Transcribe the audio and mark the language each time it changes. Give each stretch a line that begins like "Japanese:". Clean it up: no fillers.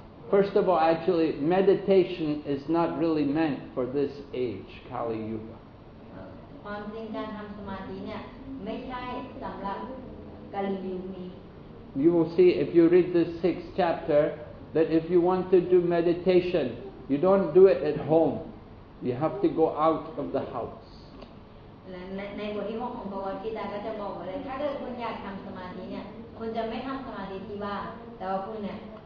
English: First of all, actually, meditation is not really meant for this age, Kali Yuga.
Thai: ความจริงการทำสมาธิเนี่ยไม่ใช่สำหรับกาลยุคนี้
English: You will see if you read the sixth chapter that if you want to do meditation you don't do it at home you have to go out of the house
Thai: ในบทที่6ของพระวจนะก็จะบอกว่าถ้าเกิดคุณอยากทำสมาธิเนี่ยคุณจะไม่ทำสมาธิที่บ้านแต่ว่าคุณเนี่ย